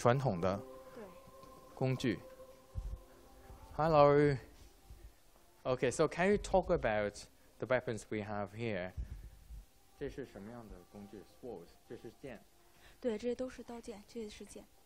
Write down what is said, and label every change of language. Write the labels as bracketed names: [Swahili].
[Chinese] 我们到了这个地方,传统的工具. [English] Hello. Okay, so can you talk about the weapons we have here? [Chinese] 这是什么样的工具?Swords, 这是剑? 对,这都是刀剑,这也是剑。